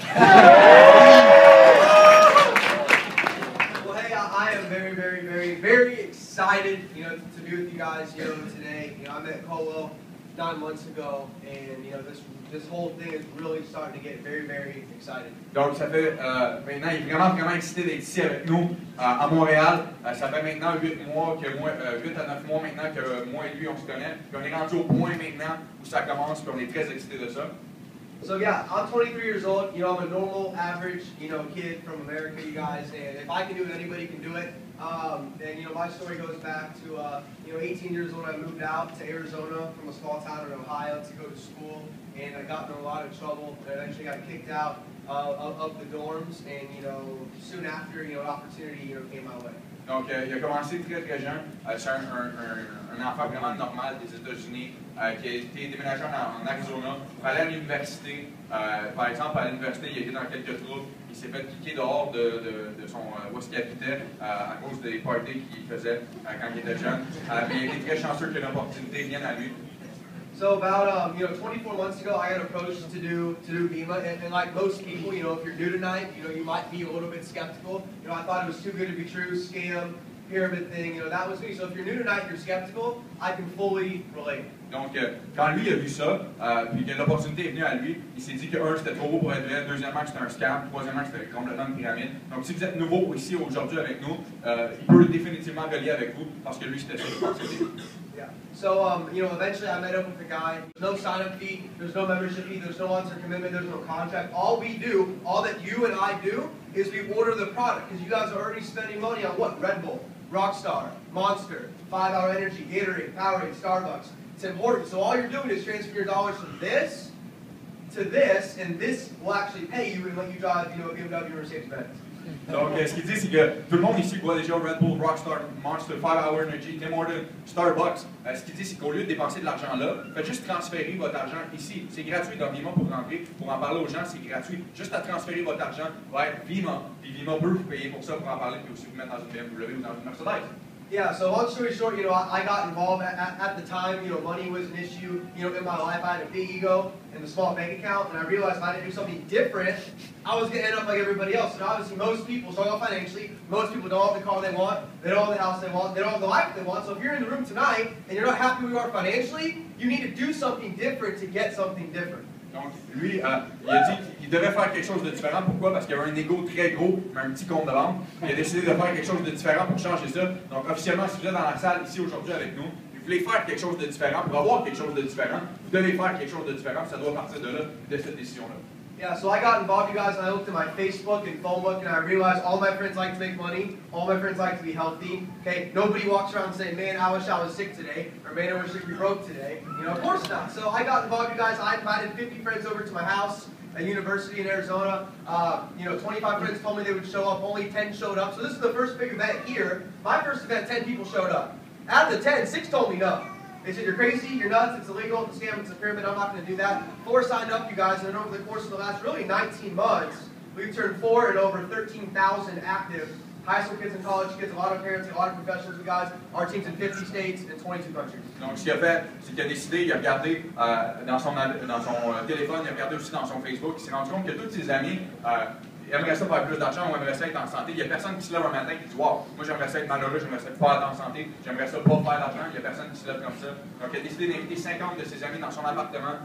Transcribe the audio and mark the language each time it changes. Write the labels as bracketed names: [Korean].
[English] Well, hey, I am very, very, very, very excited, you know, to be with you guys, you know, today. You know, I met Colwell 9 months ago, and, you know, this whole thing is really starting to get very, very excited. [French] Donc, ça fait maintenant, il est vraiment, vraiment excité d'être ici avec nous à Montréal. Ça fait maintenant 8 à 9 mois maintenant que moi et lui, on se connaît. Puis on est rendu au point maintenant où ça commence, puis on est très excité de ça. [English] So yeah, I'm 23 years old, you know, I'm a normal, average, you know, kid from America, you guys, and if I can do it, anybody can do it. And, you know, my story goes back to, you know, 18 years old, I moved out to Arizona from a small town in Ohio to go to school, and I got in a lot of trouble, and eventually got kicked out of the dorms, and, you know, soon after, you know, an opportunity, you know, came my way. [French] Donc, il a commencé très, très jeune. C'est un enfant vraiment normal des États-Unis qui a été déménagé en Arizona pour aller à l'université. Par exemple, à l'université, il a été dans quelques troubles. Il s'est fait kicker dehors de son où il habitait à cause des parties qu'il faisait quand il était jeune. Mais il a été très chanceux que l'opportunité vienne à lui. [English] So about, you know, 24 months ago, I got approached to do BEMA, and like most people, you know, if you're new tonight, you know, you might be a little bit skeptical. You know, I thought it was too good to be true, scam, pyramid thing, you know, that was me. So if you're new tonight, you're skeptical, I can fully relate. [French] Donc, quand lui a vu ça, puis que l'opportunité est venue à lui, il s'est dit que, un, c'était trop beau pour être vrai, deuxièmement, c'était un scam, troisièmement, c'était complètement une pyramide. Donc, si vous êtes nouveau ici aujourd'hui avec nous, il peut définitivement relier avec vous, parce que lui, c'était ça l'opportunité. [English] So, you know, eventually I met up with a guy. There's no sign-up fee, there's no membership fee, there's no answer commitment, there's no contract. All we do, all that you and I do, is we order the product, because you guys are already spending money on what? Red Bull, Rockstar, Monster, 5-Hour Energy, Gatorade, Powerade, Starbucks. It's important. So all you're doing is transfer your dollars from this to this, and this will actually pay you and let you drive, you know, a BMW or a Mercedes-Benz. [French] Donc, ce qu'il dit, c'est que tout le monde ici boit déjà Red Bull, Rockstar, Monster, 5-Hour Energy, Tim Hortons, Starbucks. Ce qu'il dit, c'est qu'au lieu de dépenser de l'argent là, faites juste transférer votre argent ici. C'est gratuit dans Vima pour rentrer, pour en parler aux gens, c'est gratuit. Juste à transférer votre argent va être Vima. Puis Vima peut vous payer pour ça, pour en parler, puis aussi vous mettre dans une BMW ou dans une Mercedes. [English] Yeah, so long story short, you know, I got involved at the time, you know, money was an issue, you know, in my life. I had a big ego and a small bank account, and I realized if I didn't do something different, I was going to end up like everybody else. And obviously, most people struggle financially. Most people don't have the car they want. They don't have the house they want. They don't have the life they want. So if you're in the room tonight, and you're not happy where you are financially, you need to do something different to get something different. [French] Donc, lui, il a dit qu'il devait faire quelque chose de différent. Pourquoi? Parce qu'il avait un ego très gros, mais un petit compte de banque. Il a décidé de faire quelque chose de différent pour changer ça. Donc, officiellement, si vous êtes dans la salle ici aujourd'hui avec nous, vous voulez faire quelque chose de différent, pour avoir quelque chose de différent, vous devez faire quelque chose de différent. Ça doit partir de là, de cette décision-là. [English] Yeah, so I got involved, you guys, and I looked at my Facebook and phone book, and I realized all my friends like to make money, all my friends like to be healthy, okay? Nobody walks around saying, man, I wish I was sick today, or man, I wish I could be broke today. You know, of course not. So I got involved, you guys, I invited 50 friends over to my house, a university in Arizona. You know, 25 friends told me they would show up, only 10 showed up. So this is the first big event here. My first event, 10 people showed up. Out of the 10, 6 told me no. They said, you're crazy, you're nuts, it's illegal, it's a scam, it's a pyramid, I'm not going to do that. 4 signed up, you guys, and over the course of the last, really, 19 months, we've turned 4 and over 13,000 active high school kids and college kids, a lot of parents, a lot of professionals, you guys, our team's in 50 states and 22 countries. [French] Donc, ce qu'il a fait, c'est qu'il a décidé, il a regardé dans son téléphone, il a regardé aussi dans son Facebook, il s'est rendu compte que tous ses amis, il aimerait ça faire plus d'argent, ou aimerait ça être en santé. Il n'y a personne qui se lève un matin et qui dit wow, moi j'aimerais ça être malheureux, j'aimerais ça pas être en santé, j'aimerais ça pas faire d'argent. Il n'y a personne qui se lève comme ça. Donc il a décidé d'inviter 50 de ses amis dans son appartement.